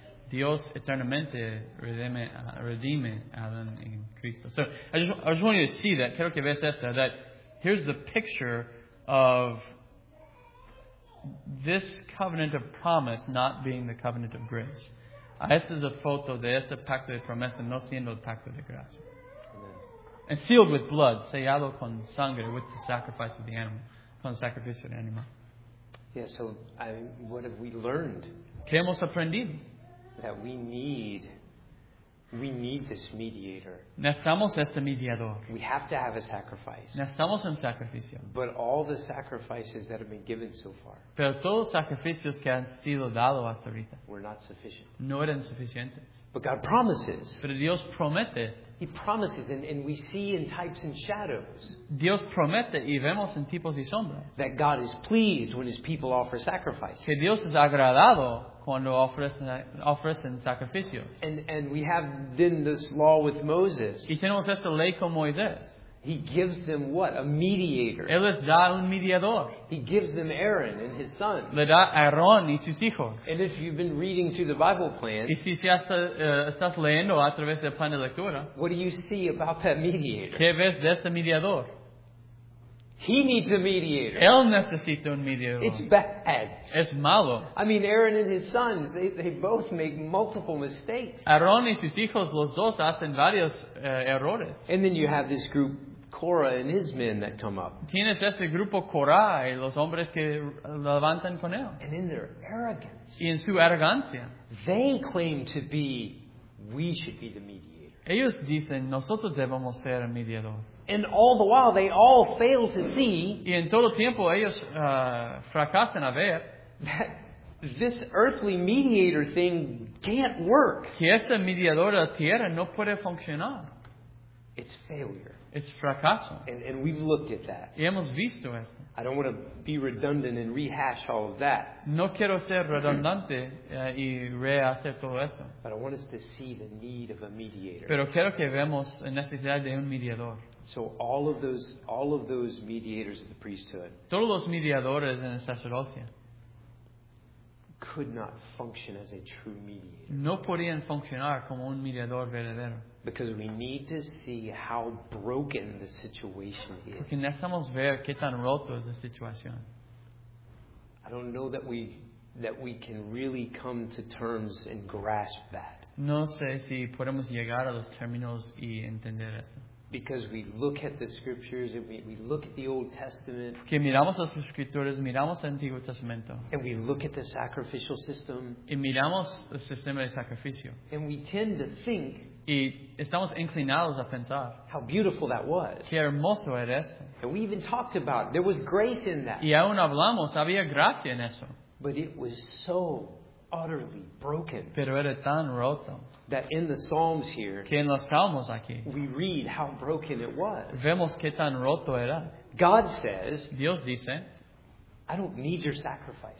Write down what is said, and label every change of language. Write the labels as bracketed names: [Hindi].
[Spanish] Dios eternamente redime Adam in Cristo. [English] So I just want you to see that. [Spanish] Quiero que veas esto, [English] that here's the picture of this covenant of promise not being the covenant of grace. [Spanish] Esta es la foto de este pacto de promesa no siendo el pacto de gracia. [English] Amen. And sealed with blood, [Spanish] sellado con sangre, [English] with the sacrifice of the animal, [Spanish] con el sacrificio del animal. [English] Yeah, so what have we learned? [Spanish] ¿Qué hemos aprendido? [English] That we need this mediator. [Spanish] Necesitamos este mediador. [English] We have to have a sacrifice. [Spanish] Necesitamos un sacrificio. [English] But all the sacrifices that have been given so far. [Spanish] Pero todos los sacrificios que han sido dados hasta ahorita. [English] Were not sufficient. [Spanish] No eran suficientes. [English] But God promises. [Spanish] Pero Dios promete. [English] He promises, and we see in types and shadows. [Spanish] Dios promete y vemos en tipos y sombras. [English] That God is pleased when His people offer sacrifices. [Spanish] Que Dios es agradado cuando ofrecen sacrificios. [English] And we have then this law with Moses. [Spanish] Y tenemos esta ley con Moisés. [English] He gives them what? A mediator. [Spanish] Él les da un mediador. [English] He gives them Aaron and his sons. [Spanish] Le da Aarón y sus hijos. [English] And if you've been reading through the Bible plan, [Spanish] y si estás leyendo a través del plan de lectura, [English] what do you see about that mediator? [Spanish] ¿Qué ves de este mediador? [English] He needs a mediator. [Spanish] Él necesita un mediador. [English] It's bad. [Spanish] Es malo. [English] I mean, Aaron and his sons, they both make multiple mistakes. [Spanish] Aarón y sus hijos, los dos hacen varios errores. [English] And then you have this group, Korah and his men, that come up. [Spanish] Tienes ese grupo Korah y los hombres que levantan con él. [English] And in their arrogance. [Spanish] Y en su arrogancia. [English] They claim to be, we should be the mediator. [Spanish] Ellos dicen, nosotros debemos ser mediador. [English] And all the while, they all fail to see. [Spanish] Y en todo tiempo ellos fracasan a ver. [English] That this earthly mediator thing can't work. [Spanish] Que ese mediador de la tierra no puede funcionar. [English] It's failure. [Spanish] Es fracaso. [English] And we've looked at that. [Spanish] Y hemos visto eso. [English] I don't want to be redundant and rehash all of that. [Spanish] No quiero ser redundante y rehacer todo esto. [English] But I want us to see the need of a mediator. [Spanish] Pero quiero que veamos la necesidad de un mediador. [English] So all of those mediators of the priesthood. [Spanish] Todos los mediadores en el sacerdocio. [English] Could not function as a true mediator. [Spanish] No podían funcionar como un mediador verdadero. [English] Because we need to see how broken the situation is. [Spanish] Porque necesitamos ver qué tan roto es la situación. [English] I don't know that we can really come to terms and grasp that. [Spanish] No sé si podemos llegar a los términos y entender eso. [English] Because we look at the scriptures and we look at the Old Testament. [Spanish] Porque miramos las escrituras, miramos el Antiguo Testamento. [English] And we look at the sacrificial system. [Spanish] Y miramos el sistema de sacrificio. [English] And we tend to think. [Spanish] Y estamos inclinados a pensar. [English] How beautiful that was. [Spanish] Qué hermoso era eso. [English] And we even talked about it. There was grace in that. [Spanish] Y aún hablamos, había gracia en eso. [English] But it was so utterly broken. [Spanish] Pero era tan roto. [English] That in the Psalms here. [Spanish] Que en los Salmos aquí. [English] We read how broken it was. [Spanish] Vemos qué tan roto era. [English] God says. [Spanish] Dios dice. [English] I don't need your sacrifice.